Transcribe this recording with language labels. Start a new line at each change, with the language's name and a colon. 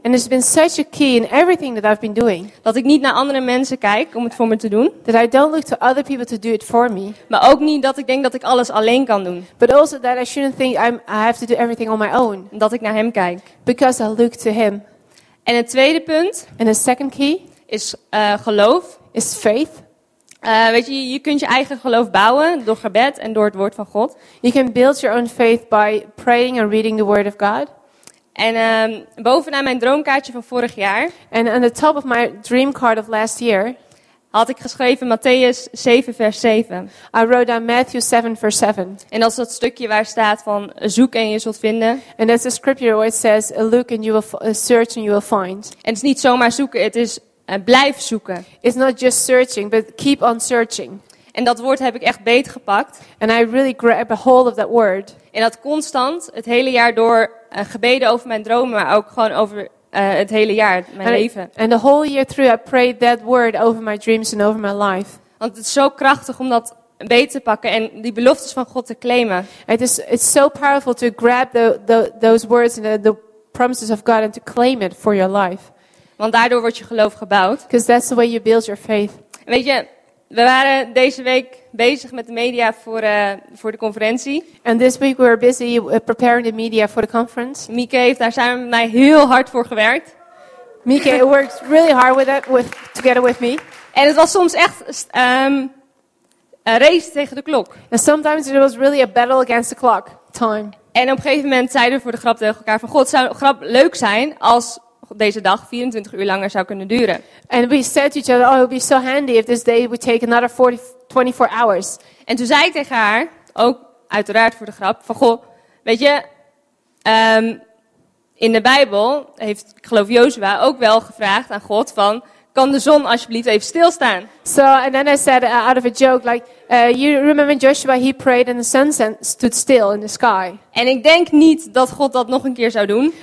English: And it's been such a key in everything that I've been doing.
Dutch: Dat ik niet naar andere mensen kijk om het voor me te doen.
English: That I don't look to other people to do it for me.
Dutch: Maar ook niet dat ik denk dat ik alles alleen kan doen.
English: But also that I shouldn't think I have to do everything on my own.
Dutch: Dat ik naar hem kijk.
English: Because I look to him.
Dutch: En het tweede punt.
English: And a second key.
Dutch: Is geloof.
English: Is faith.
Dutch: Weet je, je kunt je eigen geloof bouwen door gebed en door het woord van God.
English: You can build your own faith by praying and reading the word of God.
Dutch: En bovenaan mijn droomkaartje van vorig jaar.
English: And on the top of my dream card of last year.
Dutch: Had ik geschreven Matthäus 7 vers 7.
English: I wrote down Matthew 7 vers 7.
Dutch: En dat is dat stukje waar staat van zoek en je zult vinden.
English: And that's the scripture where it says look and you will search and you will find.
Dutch: En het is niet zomaar zoeken, het is blijf zoeken.
English: It's not just searching, but keep on searching.
Dutch: En dat woord heb ik echt beetgepakt.
English: And I really grab a hold of that word.
Dutch: En dat constant, het hele jaar door, gebeden over mijn dromen, maar ook gewoon over het hele jaar, mijn leven.
English: And the whole year through, I prayed that word over my dreams and over my life.
Dutch: Want het is zo krachtig om dat beet te pakken en die beloftes van God te claimen.
English: It's so powerful to grab those words and the promises of God and to claim it for your life.
Dutch: Want daardoor wordt je geloof gebouwd.
English: Because that's the way you build your faith.
Dutch: Weet je, we waren deze week bezig met de media voor de conferentie.
English: And this week we were busy preparing the media for the conference.
Dutch: Mieke heeft daar samen met mij heel hard voor gewerkt.
English: Mieke worked really hard with it, with together with me.
Dutch: En het was soms echt een race tegen de klok.
English: And sometimes it was really a battle against the clock time.
Dutch: En op een gegeven moment zeiden we voor de grap tegen elkaar van God, zou een grap leuk zijn als deze dag 24 uur langer zou kunnen duren.
English: And we said to each other, oh, it would be so handy if this day would take another 24 hours.
Dutch: En toen zei ik tegen haar, ook uiteraard voor de grap, van goh, weet je, in de Bijbel heeft, ik geloof Jozua, ook wel gevraagd aan God van, kan de zon alsjeblieft even stilstaan?
English: So, and then I said, out of a joke, like, you remember Joshua, he prayed and the sun stood still in the sky.
Dutch: En ik denk niet dat God dat nog een keer zou doen.